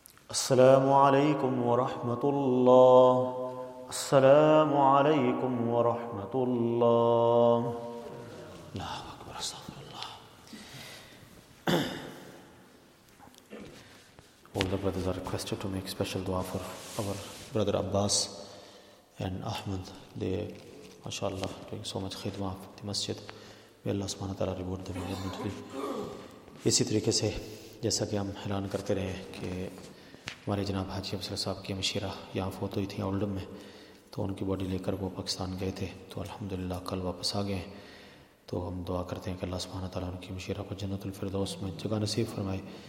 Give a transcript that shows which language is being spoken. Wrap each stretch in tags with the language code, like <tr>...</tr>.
<ar>السلام عليكم ورحمة الله السلام عليكم ورحمة الله الله أكبر استغفر الله</ar> <en>All the brothers are requested to make special dua for our brother Abbas and Ahmed. They, mashallah, doing so much khidma of the masjid. May Allah subhanahu wa ta'ala reward them abundantly.</en> <ur>اسی طریقے سے جیسا کہ ہم حیران کرتے رہے کہ ہمارے جناب حاجی افسر صاحب کی مشیرہ یہاں فوت ہوئی تھیں اولڈم میں, تو ان کی باڈی لے کر وہ پاکستان گئے تھے, تو الحمدللہ کل واپس آ گئے ہیں. تو ہم دعا کرتے ہیں کہ اللہ سبحانہ تعالیٰ ان کی مشیرہ کو جنت الفردوس میں جگہ نصیب فرمائے.</ur>